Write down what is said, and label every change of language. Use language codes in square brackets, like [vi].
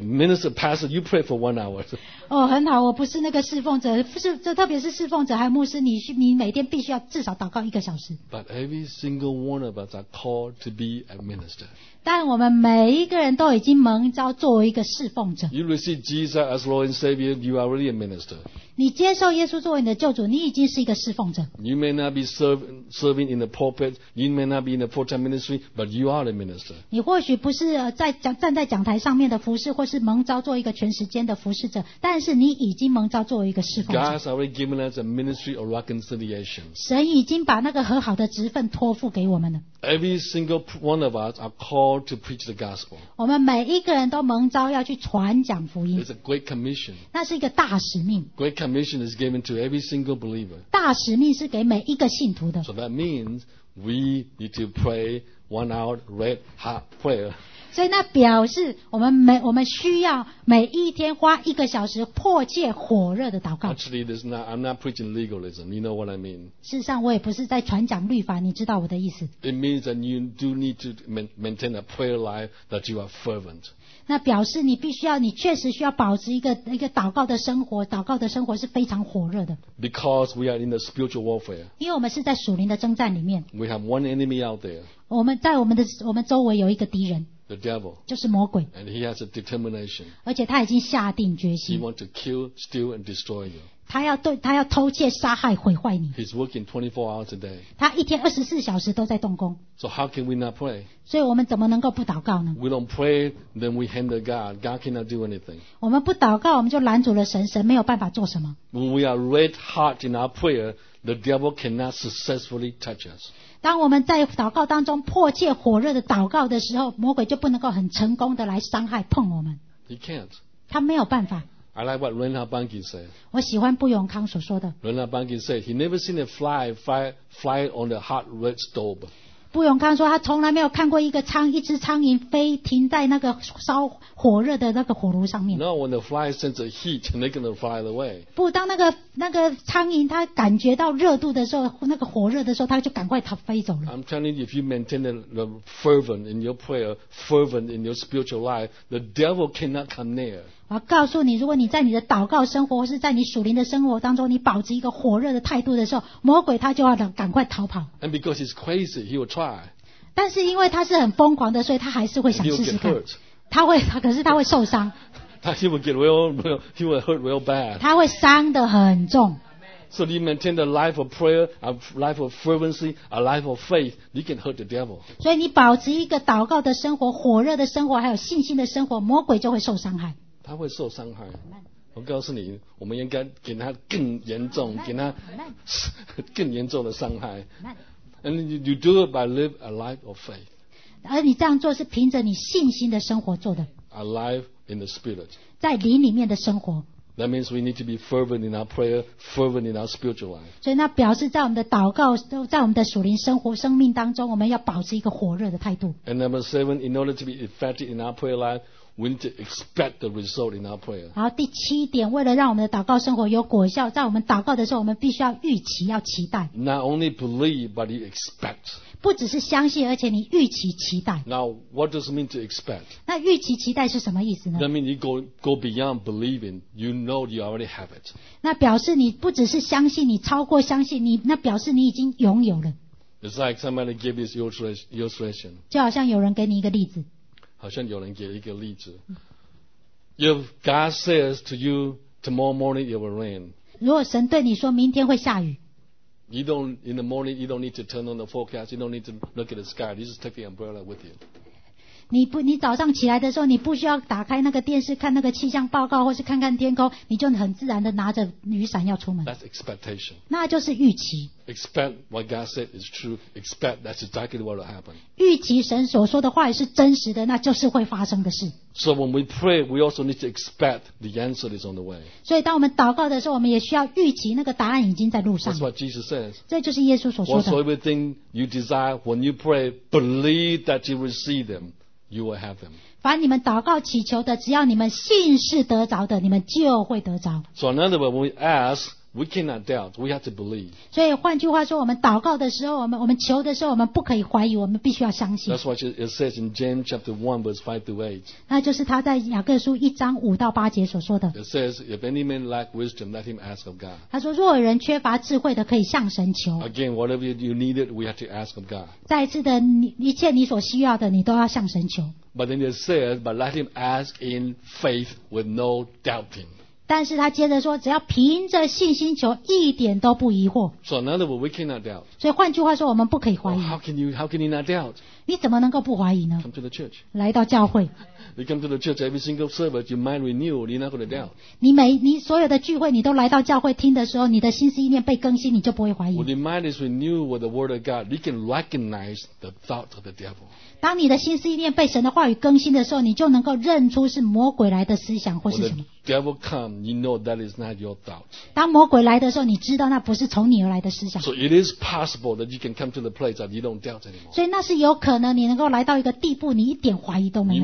[en] Minister, pastor, you pray for 1 hour. [zh] 哦，很好，我不是那个侍奉者，是这特别是侍奉者，还有牧师，你每天必须要至少祷告一个小时。 [en] But every single one of us are called to be a minister. [zh] 但我们每一个人都已经蒙召作为一个侍奉者。 [en] You receive Jesus as Lord and Savior, you are already a minister. [zh] 你接受耶稣作为你的救主，你已经是一个侍奉者。 [en] You may not be serving in the pulpit, you may not be in the full-time ministry, but you are a minister. [zh] 你或许不是在站在讲台上面的服事，或是蒙召做一个全时间的服事者，但是你已经蒙召作为一个侍奉者。 [en] God has already given us a ministry of reconciliation. [zh] 神已经把那个和好的职分托付给我们了。 [en] Every single one of us are called to preach the gospel. [zh] 我们每一个人都蒙召要去传讲福音。 [en] It's a great commission. [zh] 那是一个大使命。 [en] Great commission is given to every single believer. [zh] 大使命是给每一个信徒的。 [en] So that means we need to pray one hour red hot prayer. [zh] 所以那表示我们需要每一天花一个小时迫切火热的祷告。 [en] Actually, this is not, I'm not preaching legalism. You know what I mean? [zh] 事实上，我也不是在传讲律法，你知道我的意思。 [en] It means that you do need to maintain a prayer life that you are fervent. [zh] 那表示你必须要，你确实需要保持一个祷告的生活，祷告的生活是非常火热的。 [en] Because we are in the spiritual warfare. [zh] 因为我们是在属灵的征战里面。 [en] We have one enemy out there. [zh] 我们在我们周围有一个敌人。 [en] The devil, [zh] 就是魔鬼 [en] and he has a determination. [zh] 而且他已经下定决心 [en] He wants to kill, steal and destroy you. [zh] 他要偷窃、杀害、毁坏你 [en] He's working 24 hours a day. [zh] 他一天24小时都在动工 [en] So how can we not pray? [zh] 所以我们怎么能够不祷告呢 [en] We don't pray, then we hinder God. God cannot do anything. [zh] 我们不祷告，我们就拦阻了神，神没有办法做什么 [en] When we are red hot in our prayer, the devil cannot successfully touch us. [zh] 当我们在祷告当中迫切火热的祷告的时候，魔鬼就不能够很成功的来伤害碰我们。 [en] He can't. [zh] 他没有办法。 [en] I like what Reinhard Bonnke said. [zh] 我喜欢布永康所说的。 [en] Reinhard Bonnke said he never seen a fly on the hot red stove. [zh] 布永康说他从来没有看过一只苍蝇飞停在那个烧火热的那个火炉上面。 [en] No, when the fly senses heat, they're gonna fly away. [zh] 不，当那个苍蝇它感觉到热度的时候，那个火热的时候，它就赶快它飞走了。 [en] I'm telling you, if you maintain the fervent in your prayer, fervent in your spiritual life, the devil cannot come near. [zh] 我告诉你，如果你在你的祷告生活或是在你属灵的生活当中，你保持一个火热的态度的时候，魔鬼他就要赶快逃跑。 [en] And because he's crazy, he will try. [zh] 但是因为他是很疯狂的，所以他还是会想试试看。可是他会受伤。 [en] He will get he will hurt real bad. [zh] 他会伤得很重。 [en] So you maintain a life of prayer, a life of fervency, a life of faith, you can hurt the devil. [zh] 所以你保持一个祷告的生活，火热的生活，还有信心的生活，魔鬼就会受伤害。他会受伤害。我告诉你，我们应该给他更严重，给他更严重的伤害。 [en] And you do it by live a life of faith. [zh] 而你这样做是凭着你信心的生活做的。 [en] A life in the spirit. [zh] 在灵里面的生活。 [en] That means we need to be fervent in our prayer, fervent in our spiritual life. [zh] 所以那表示在我们的祷告，在我们的属灵生活、生命当中，我们要保持一个火热的态度。 [en] And number seven, in order to be effective in our prayer life, we need to expect the result in our prayer. [zh] 然后第七点，为了让我们的祷告生活有果效，在我们祷告的时候，我们必须要预期，要期待。 [en] Not only believe, but you expect. [zh] 不只是相信，而且你预期期待。 [en] Now, what does it mean to expect? [zh] 那预期期待是什么意思呢 [en] ？That means you go beyond believing. You know you already have it. [zh] 那表示你不只是相信，你超过相信，你那表示你已经拥有了。 [en] It's like somebody gave this illustration. [zh] 就好像有人给你一个例子。好像有人给一个例子。 [en] If God says to you tomorrow morning it will rain. [zh] 如果神对你说明天会下雨。 [en] You don't, in the morning, you don't need to turn on the forecast. You don't need to look at the sky. You just take the umbrella with you. [zh] 你早上起来的时候，你不需要打开那个电视看那个气象报告，或是看看天空，你就很自然的拿着雨伞要出门。 [en] That's expectation. [zh] 那就是预期。 [en] Expect what God said is true. Expect that's exactly what will happen. [zh] 预期神所说的话也是真实的，那就是会发生的事。 [en] So when we pray, we also need to expect the answer is on the way. [zh] 所以当我们祷告的时候，我们也需要预期那个答案已经在路上。 [en] That's what Jesus says. [zh] 这就是耶稣所说的。 [en] Whatsoever thing you desire when you pray, believe that you receive them. You will have them. [zh] 凡你们祷告祈求的，只要你们信是得着的，你们就会得着。 [en] So in other words, we ask, we cannot doubt. We have to believe. [zh] 所以换句话说，我们祷告的时候，我们求的时候，我们不可以怀疑，我们必须要相信。 [en] That's what it says in James chapter 1 verse 5 to 8. [zh] 那就是他在雅各书一章五到八节所说的。 [en] It says, if any man lack wisdom, let him ask of God. [zh] 他说，若有人缺乏智慧的，可以向神求。 [en] Again, whatever you needed, we have to ask of God. [zh] 再一次的，一切你所需要的，你都要向神求。 [en] But then it says, but let him ask in faith with no doubting. [zh] 但是他接着说，只要凭着信心求，一点都不疑惑。 [en] So in other words, we cannot doubt. [zh] 所以换句话说，我们不可以怀疑。 [en] Oh, how can you not doubt? [zh] 你怎么能够不怀疑呢 [en] ？Come to the church. [zh] 来到教会。 [en] You come to the church every single service, your mind renewed. You're not going to doubt. [zh] 你所有的聚会，你都来到教会听的时候，你的心思意念被更新，你就不会怀疑。 [en] When your mind is renewed with the word of God, you can recognize the thought of the devil. [zh] 当你的心思意念被神的话语更新的时候，你就能够认出是魔鬼来的思想或是什么。 [en] When the devil comes, you know that is not your thought. [zh] 当魔鬼来的时候，你知道那不是从你而来的思想。 [en] So it is possible that you can come to the place that you don't doubt anymore. [zh] 所以那是有可能你能够来到一个地步，你一点怀疑都没有。